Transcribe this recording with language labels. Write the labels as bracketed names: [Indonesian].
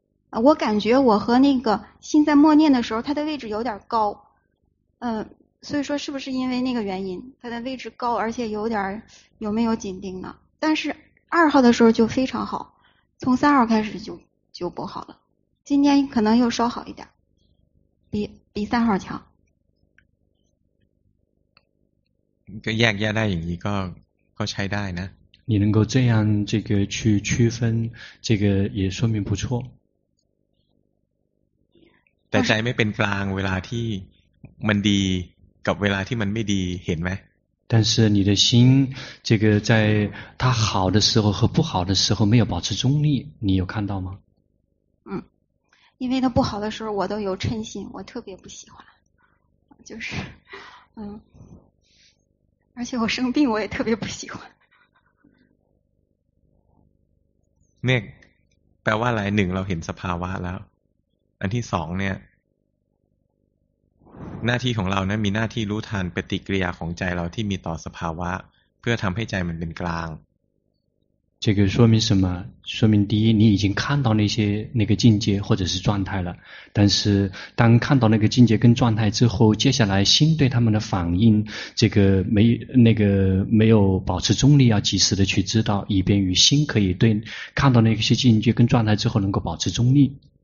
[Chinese] 我感觉我和那个心在默念的时候它的位置有点高所以说是不是因为那个原因它的位置高而且有点有没有紧盯呢但是二号的时候就非常好从三号开始就不好了今天可能又稍好一点比三号强 [Thai] 个แยกแยกได้อย่างนี้ก็ใช้ได้นะ [Chinese] 你能够这样这个去区分这个也说明不错 [Thai] แต่ใจไม่เป็นกลางเวลาที่มันดีกับเวลาที่มันไม่ดีเห็นไหม [Chinese] 但是你的心这个在它好的时候和不好的时候没有保持中立你有看到吗嗯因为它不好的时候我都有嗔心我特别不喜欢就是嗯而且我生病我也特别不喜欢 [Thai] เนี่ยแปลว่าอะไรหนึ่งเราเห็นสภาวะแล้วอันที่สองเนี่ยหน้าที่ของเรานะมีหน้าที่รู้ทันปฏิกิริยาของใจเราที่มีต่อสภาวะเพื่อทำให้ใจมันเป็นกลาง [Chinese] 这个说明什么说明第一你已经看到那些那个境界或者是状态了但是当看到那个境界跟状态之后接下来心对他们的反应这个没那个没有保持中立要及时的去知道以便于心可以对看到那些境界跟状态之后能够保持中立